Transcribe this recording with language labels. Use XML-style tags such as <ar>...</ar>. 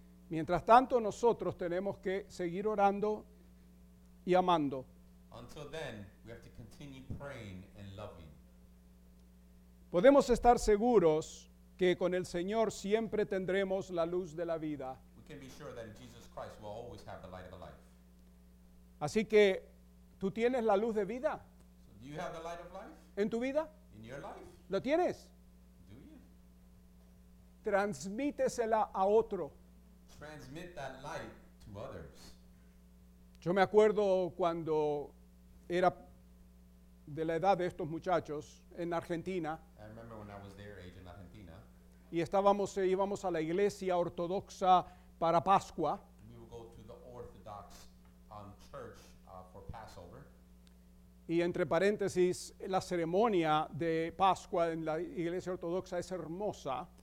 <es>Mientras tanto, nosotros tenemos que seguir orando y amando.</es> <en>Until then, we have to continue praying and loving.</en> <es>Podemos estar seguros que con el Señor siempre tendremos la luz de la vida.</es> <en>We can be sure that in Jesus Christ we'll always have the light of the life.</en> <es>Así que, ¿tú tienes la luz de vida?</es> <en>So do you have the light of life?</en> <es>¿En tu vida?</es> <en>In your life?</en> <es>¿Lo tienes?</es> <en>Do you?</en> <es>Transmítesela a otro.</es> <en>Transmit that light to others.</en> <es>Yo me acuerdo cuando era de la edad de estos muchachos en Argentina.</es> <en>I remember when I was their age in Argentina.</en> <es>Y estábamos, íbamos a la iglesia ortodoxa para Pascua.</es> <en>We would go to the Orthodox church for Passover.</en> <es>Y entre paréntesis, la ceremonia de Pascua en la iglesia ortodoxa es hermosa.</es>